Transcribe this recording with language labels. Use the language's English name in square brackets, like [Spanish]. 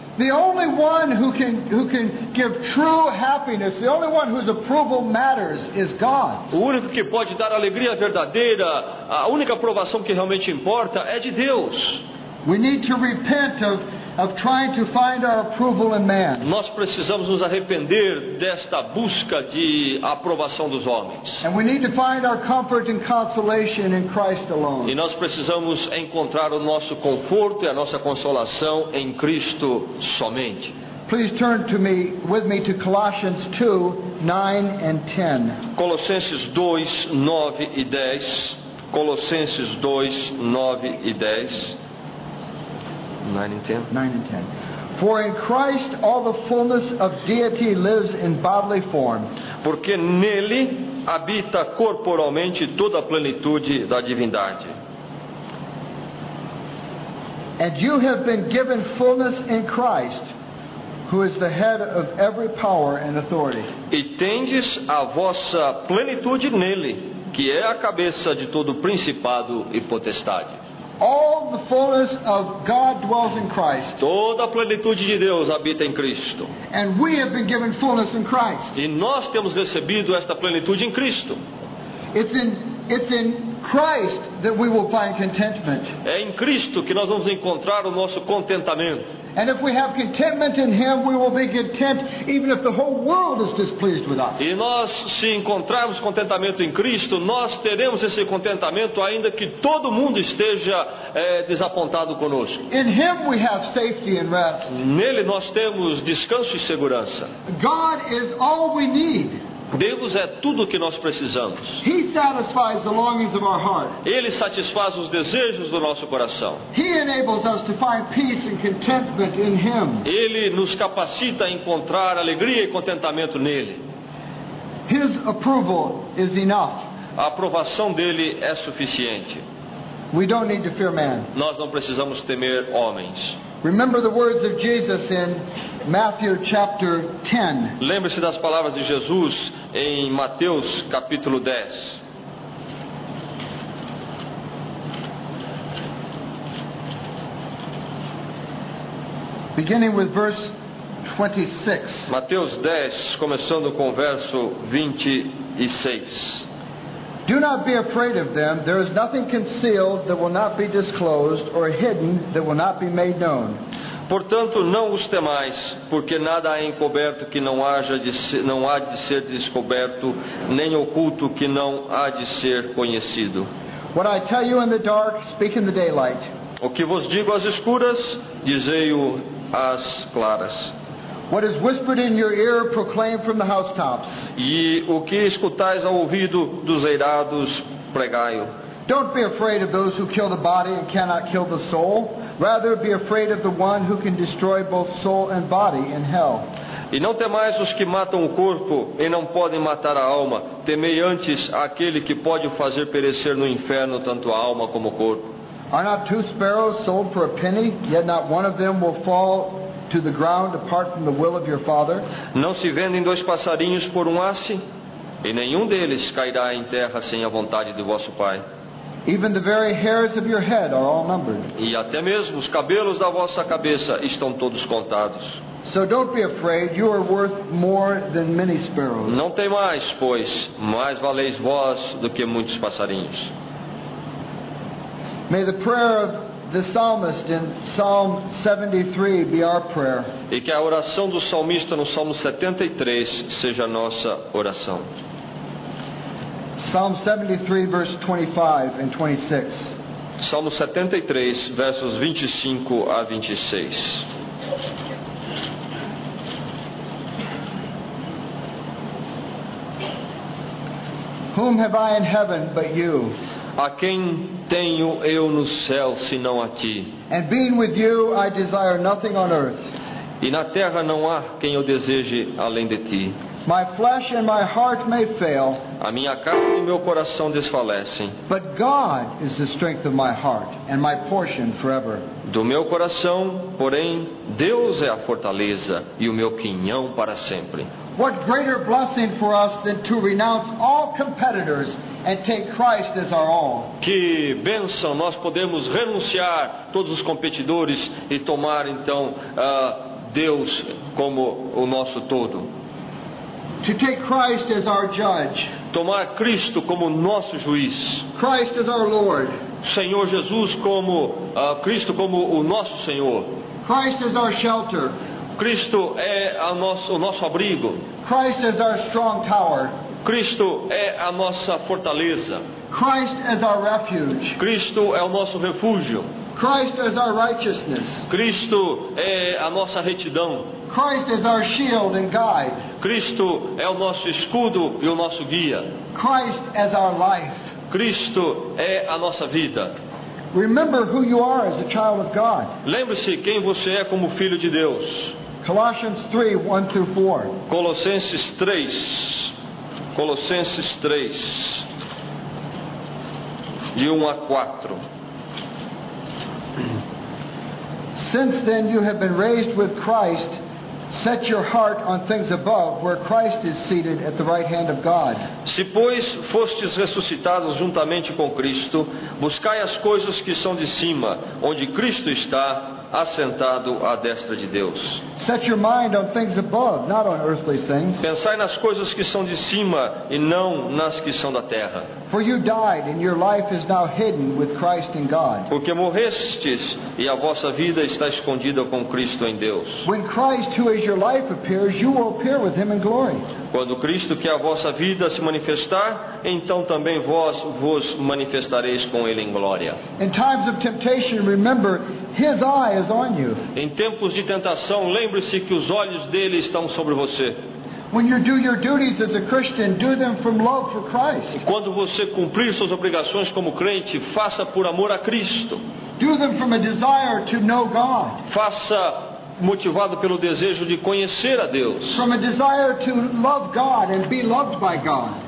[English] The only one who can give true happiness, the only one whose approval matters is God's. [Portuguese] O único que pode dar alegria verdadeira, a única aprovação que realmente importa é de Deus. [English] We need to repent of trying to find our approval in man. [Portuguese] Nós precisamos nos arrepender desta busca de aprovação dos homens. [English] And we need to find our comfort and consolation in Christ alone. [Portuguese] E nós precisamos encontrar o nosso conforto e a nossa consolação em Cristo somente. [English] Please turn with me to Colossians 2, 9 and 10. [Portuguese] Colossenses 2, 9 e 10. Colossenses 2, 9 e 10. [English] 9 and 10. For in Christ all the fullness of deity lives in bodily form. [Portuguese] Porque nele habita corporalmente toda a plenitude da divindade. [English] And you have been given fullness in Christ, who is the head of every power and authority. [Portuguese] E tendes a vossa plenitude nele, que é a cabeça de todo principado e potestade. [English] All the fullness of God dwells in Christ. [Portuguese] Toda a plenitude de Deus habita em Cristo. [English] And we have been given fullness in Christ. [Portuguese] E nós temos recebido esta plenitude em Cristo. [English] It's in Christ that we will find contentment. [Portuguese] É em Cristo que nós vamos encontrar o nosso contentamento. [English] And if we have contentment in Him, we will be content even if the whole world is displeased with us. [Portuguese] E nós, se encontrarmos contentamento em Cristo, nós teremos esse contentamento ainda que todo mundo esteja desapontado conosco. [English] In Him we have safety and rest. [Portuguese] Nele nós temos descanso e segurança. [English] God is all we need. [Portuguese] Deus é tudo o que nós precisamos. [English] He satisfies the longings of our heart. [Portuguese] Ele satisfaz os desejos do nosso coração. [English] He enables us to find peace and contentment in Him. [Portuguese] Ele nos capacita a encontrar alegria e contentamento nele. [English] His approval is enough. [Portuguese] A aprovação dele é suficiente. [English] We don't need to fear man. [Portuguese] Nós não precisamos temer homens. [English] Remember the words of Jesus in Matthew chapter 10. [Portuguese] Lembre-se das palavras de Jesus em Mateus capítulo 10. [English] Beginning with verse 26. [Portuguese] Mateus 10, começando com o verso 26. [English] Do not be afraid of them. There is nothing concealed that will not be disclosed, or hidden that will not be made known. [Portuguese] Portanto, não os temais, porque nada há encoberto que não haja de ser, não há de ser descoberto, nem oculto que não há de ser conhecido. [English] What I tell you in the dark, speak in the daylight. [Portuguese] O que vos digo às escuras, dizei-o às claras. [English] What is whispered in your ear, proclaim from the housetops. [Portuguese] E o que escutais ao ouvido dos eirados, pregai-o. [English] Don't be afraid of those who kill the body and cannot kill the soul. Rather, be afraid of the one who can destroy both soul and body in hell. [Portuguese] E não temais os que matam o corpo e não podem matar a alma. Temei antes aquele que pode fazer perecer no inferno tanto a alma como o corpo. [English] Are not two sparrows sold for a penny? Yet not one of them will fall to the ground apart from the will of your father. [Portuguese] Não se vendem dois passarinhos por um asse, e nenhum deles cairá em terra sem a vontade de vosso pai. [English] Even the very hairs of your head are all numbered. [Portuguese] E até mesmo os cabelos da vossa cabeça estão todos contados. [English] So don't be afraid, you are worth more than many sparrows. [Portuguese] Não temais, pois mais valeis vós do que muitos passarinhos. [English] May the prayer of the psalmist in Psalm 73 be our prayer. [Portuguese] E que a oração do salmista no Salmo 73 seja a nossa oração. [English] Psalm 73 verse 25 and 26. [Portuguese] Salmo 73 versos 25 a 26. [English] Whom have I in heaven but you? [Portuguese] A quem tenho eu no céu senão a ti? [English] And being with you, I desire nothing on earth. [Portuguese] E na terra não há quem eu deseje além de ti. [English] My flesh and my heart may fail. [Portuguese] A minha carne e meu coração desfalecem. [English] But God is the strength of my heart and my portion forever. [Portuguese] Do meu coração, porém, Deus é a fortaleza e o meu quinhão para sempre. [English] What greater blessing for us than to renounce all competitors and take Christ as our all. [Portuguese] Que bênção nós podemos renunciar todos os competidores e tomar então Deus como o nosso todo. [English] To take Christ as our judge. [Portuguese] Tomar Cristo como nosso juiz. [English] Christ as our Lord. [Portuguese] Senhor Jesus como Cristo como o nosso Senhor. [English] Christ as our shelter. [Portuguese] Cristo é o nosso abrigo. [English] Christ as our strong tower. [Portuguese] Cristo é a nossa fortaleza. [English] Christ as our refuge. [Portuguese] Cristo é o nosso refúgio. [English] Christ as our righteousness. [Portuguese] Cristo é a nossa retidão. [English] Christ as our shield and guide. [Portuguese] Cristo é o nosso escudo e o nosso guia. [English] Christ as our life. [Portuguese] Cristo é a nossa vida. [English] Remember who you are as a child of God. [Portuguese] Lembre-se quem você é como filho de Deus. [English] Colossians 3, 1 through 4. [Portuguese] Colossenses 3. Colossenses 3, de 1 a 4. [English] Since then you have been raised with Christ, set your heart on things above, where Christ is seated at the right hand of God. [Portuguese] Se pois fostes ressuscitados juntamente com Cristo, buscai as coisas que são de cima, onde Cristo está assentado à destra de Deus. [English] Set your mind on things above, not on earthly things. [Portuguese] Pensai nas coisas que são de cima e não nas que são da terra. [English] For you died and your life is now hidden with Christ in God. [Portuguese] Porque morrestes e a vossa vida está escondida com Cristo em Deus. [English] When Christ, who is your life, appears, you will appear with him in glory. [Portuguese] Quando Cristo, que é a vossa vida, se manifestar, então também vós vos manifestareis com ele em glória. [English] In times of temptation, remember, his eye is on you. [Portuguese] Em tempos de tentação, lembre-se que os olhos dele estão sobre você. [English] When you do your duties as a Christian, do them from love for Christ. [Portuguese] Quando você cumprir suas obrigações como crente, faça por amor a Cristo. [English] Do them from a desire to know God. [Portuguese] Faça motivado pelo desejo de conhecer a Deus. [English] From a desire to love God and be loved by God.